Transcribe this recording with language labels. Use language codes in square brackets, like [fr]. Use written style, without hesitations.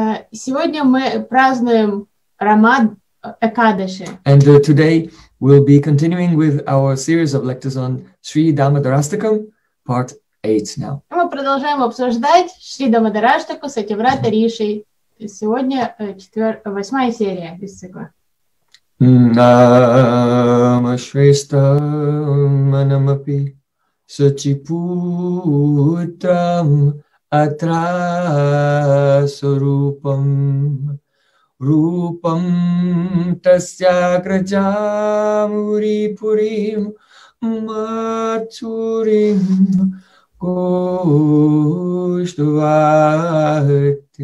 [ru] Сегодня мы празднуем Рама Экадаси. [en] And today we'll be continuing with our series of lectures on Sri Dhammadarashtakam, part 8. [ru] Мы продолжаем обсуждать Шри Дхаммадараштаку Сатьяврата Риши. Сегодня восьмая серия из цикла. [sa] Нама Шрестам Анамапи Сачипутам Атрасарупам Рупам Тасьякрачамурипурим Матурим Коштувати